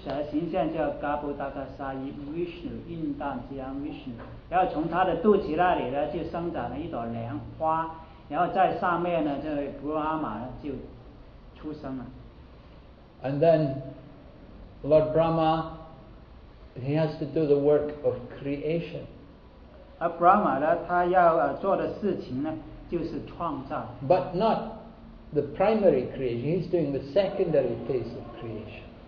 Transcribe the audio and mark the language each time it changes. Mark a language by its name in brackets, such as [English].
[Chinese] 形象叫嘎布达嘎沙伊Vishnu，印度叫Vishnu，然后从他的肚脐那里呢，就生长了一朵莲花，然后在上面呢，这布拉玛就出生了。 [English] And then Lord Brahma, he has to do the work of creation. [Chinese] 而布拉玛呢，他要做的事情呢，就是创造。 [English] But not the primary creation, he's doing the secondary phase of creation.